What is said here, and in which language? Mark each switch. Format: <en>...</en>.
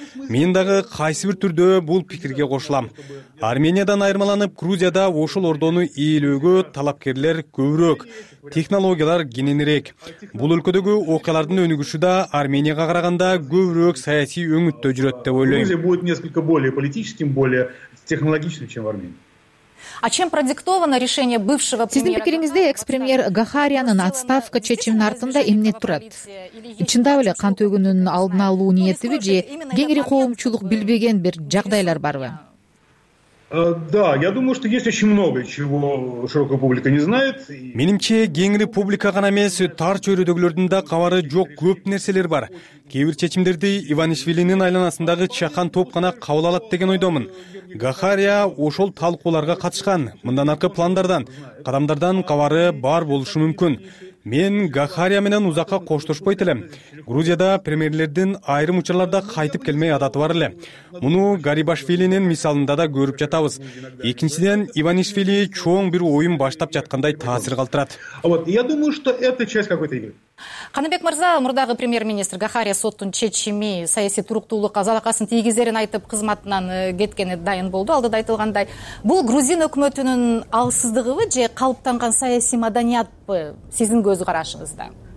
<ky>Мен дагы кайсы бир түрдө бул пикирге кошулам. Армениядан айырмаланып, Грузияда ошол ордону ээлөөгө талапкерлер көбүрөөк, технологиялар кененирээк. Бул өлкөдөгү окуялардын өнүгүшү да Арменияга караганда көбүрөөк саясий өңүттө жүрөт деп ойлойм.</ky> <ru>Грузия будет несколько более политическим, более технологичным, чем в Армении. А чем продиктовано решение бывшего премьера?</ru> <ky>Сиздин пикириңизде экс-премьер Гахариянын отставка чечимин артында эмне турат? Чындап эле кан төгүүнүн алдын алуу ниетиби же кеңири коомчулук билбеген бир жагдайлар барбы?</ky> <ru>Да, я думаю, что есть очень много чего широкая публика не знает.</ru> <ky>Менимче, кеңири публика гана эмес, тар чөйрөдөгүлөрдүн да кабары жок көп нерселер бар. Кээ бир чечимдерди Иванишвилинин айланасындагы чакан топ гана кабыл алат деген ойдомун. Гахария ошол талкууларга катышкан. Мындан аркы пландардан, кадамдардан кабары бар болушу мүмкүн. Мен Гахария менен узакка коштошпойт элем. Грузияда премьерлердин айрым учурларда кайтып келмей адаты бар эле. Муну Гарибашвилинин мисалында да көрүп жатабыз. Экинчиден Иванишвили чоң бир оюн баштап жаткандай таасир калтырат.</ky> <ru>Вот, я думаю, что это часть какой-то игры.</ru> <ky>Каныбек мырза, мурдагы премьер-министр Гахария соттун чечими саясий туруктуулукка залакасын тийгизерин айтып кызматынан кеткени дайын болду. Алдыда айтылгандай, бул грузин өкмөтүнүн алсыздыгыбы же калыптанган саясий маданиятпы сиздин көз карашыңызда?</ky>